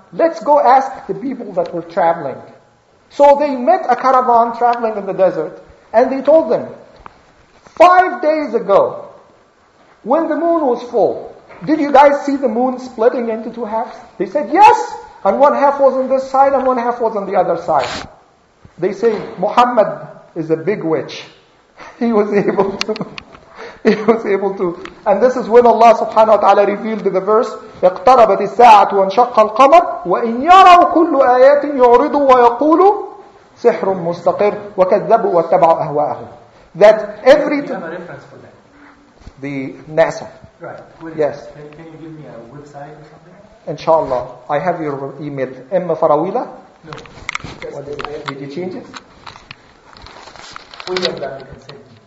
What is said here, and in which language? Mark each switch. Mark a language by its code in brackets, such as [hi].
[en] Let's go ask the people that were traveling. So they met a caravan traveling in the desert, and they told them, 5 days ago, when the moon was full, did you guys see the moon splitting into two halves? They said, yes. And one half was on this side and one half was on the other side. They say, Muhammad is a big witch. He was able to. And this is when Allah subhanahu wa ta'ala revealed the verse, [ar] اَقْتَرَبَتِ السَّاعَةُ وَانْشَقَّ الْقَمَرُ وَإِنْ يَرَوْا كُلُّ آيَاتٍ يُعْرِضُوا وَيَقُولُوا سِحْرٌ مُسْتَقِرٌ وَكَذَّبُوا وَاتَّبَعُوا أَهْوَاءَهُمْ. [en] That every... Do you have a reference for that? The NASA. Right. Yes. Can you give me a website or something? Inshallah. I have your email. Emma Farawila? No. What is it? Did you change it? We have done the consent.